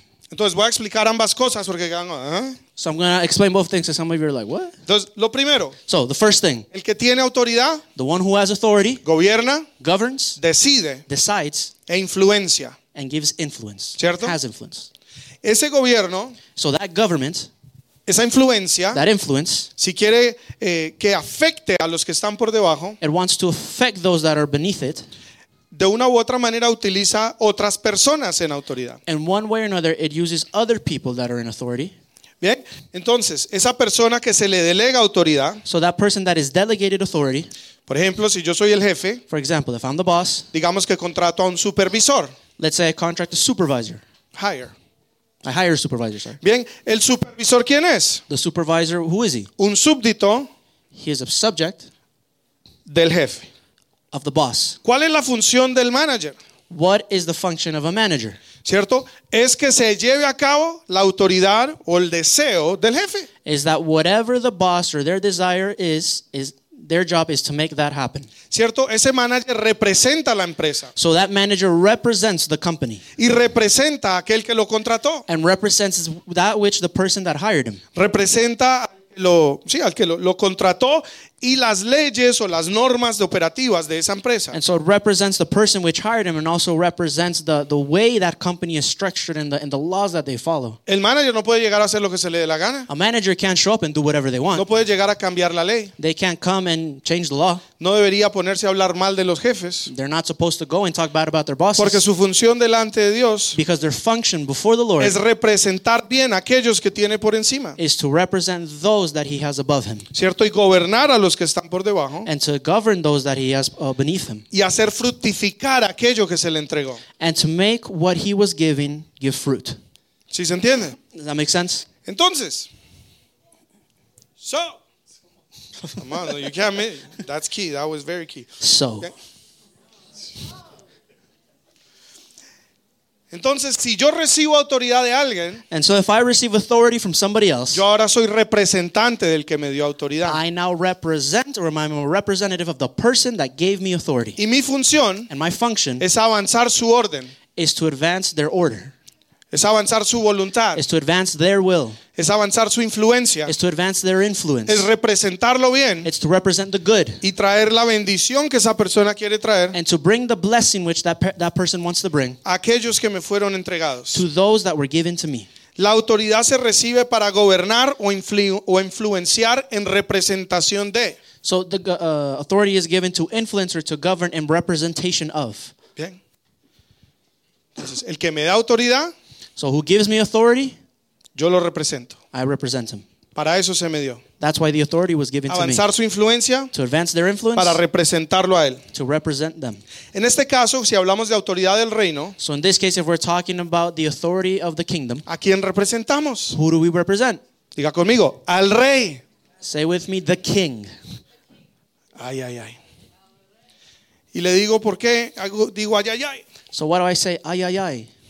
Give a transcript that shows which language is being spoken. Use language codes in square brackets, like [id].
[es] Entonces voy a explicar ambas cosas porque ¿eh? [en] So I'm going to explain both things, and some of you are like, what? [es] Entonces, lo primero. [en] So the first thing. [es] El que tiene autoridad. [en] The one who has authority. [es] Gobierna. [en] Governs. [es] Decide. [en] Decides. [es] E influencia. [en] And gives influence. [es] ¿Cierto? [en] Has influence. [es] Ese gobierno. [en] So that government. [es] Esa influencia. [en] That influence. [es] Si quiere que afecte a los que están por debajo. [en] It wants to affect those that are beneath it. [es] De una u otra manera utiliza otras personas en autoridad. [en] In one way or another, it uses other people that are in authority. [es] Bien, entonces, esa persona que se le delega autoridad. [en] So that person that is delegated authority. [es] Por ejemplo, si yo soy el jefe. [en] For example, if I'm the boss. [es] Digamos que contrato a un supervisor. [en] Let's say I contract a supervisor. Hire. I hire a supervisor, sir. [es] Bien, ¿el supervisor quién es? [en] The supervisor, who is he? [es] Un súbdito. [en] He is a subject. [es] Del jefe. [en] Of the boss. [es] ¿Cuál es la función del manager? [en] What is the function of a manager? [es] ¿Cierto? Es que se lleve a cabo la autoridad o el deseo del jefe. [en] Is that whatever the boss or their desire is their job is to make that happen. [es] ¿Cierto? Ese manager representa la empresa. [en] So that manager represents the company. [es] Y representa aquel que lo contrató. [en] And represents that which the person that hired him. [es] Representa al que lo contrató y las leyes o las normas de operativas de esa empresa. [en] And so it represents the person which hired him and also represents the way that company is structured and the laws that they follow. [es] El manager no puede llegar a hacer lo que se le dé la gana. [en] A manager can't show up and do whatever they want. [es] No puede llegar a cambiar la ley. [en] They can't come and change the law. [es] No debería ponerse a hablar mal de los jefes. [en] They're not supposed to go and talk bad about their bosses. [es] Porque su función delante de Dios. [en] Because their function before the Lord. [es] Es representar bien a aquellos que tiene por encima. [en] Is to represent those that he has above him. [es] Cierto, y gobernar a los que están por debajo. [en] And to govern those that he has beneath him. [es] Y hacer fructificar aquello que se le entregó. [en] And to make what he was given give fruit. [es] ¿Sí se entiende? [en] Does that make sense? Entonces. So. Come on, you can't miss. That's key. That was very key. So. Okay. [es] Entonces, si yo recibo autoridad de alguien. [en] And so if I receive authority from somebody else. [es] Yo ahora soy representante del que me dio autoridad. [en] I now represent or I'm a representative of the person that gave me authority. [es] Y mi función. [en] And my function. [es] Es avanzar su orden. [en] Is to advance their order. [es] Es avanzar su voluntad. [en] Is to advance their will. [es] Es avanzar su influencia. [en] Is to advance their influence. [es] Es representarlo bien. [en] It's to represent the good. [es] Y traer la bendición que esa persona quiere traer. [en] And to bring the blessing which that person wants to bring. [es] A aquellos que me fueron entregados. [en] To those that were given to me. [es] La autoridad se recibe para gobernar o influenciar en representación de. [en] So the authority is given to influence or to govern in representation of. [es] Bien. Entonces, el que me da autoridad. [en] So who gives me authority? [es] Yo lo represento. [en] I represent him. [es] Para eso se me dio. [en] That's why the authority was given [es] avanzar [en] to me. [es] Avanzar su influencia. [en] To advance their influence. [es] Para representarlo a él. [en] To represent them. [es] En este caso, si hablamos de autoridad del reino. [en] So in this case, if we're talking about the authority of the kingdom. [es] ¿A quién representamos? [en] Who do we represent? [es] Diga conmigo, al rey. [en] Say with me, the king. [es] Ay, ay, ay. Y le digo por qué. Digo ay, ay, ay. [en] So what do I say? Ay, ay, ay.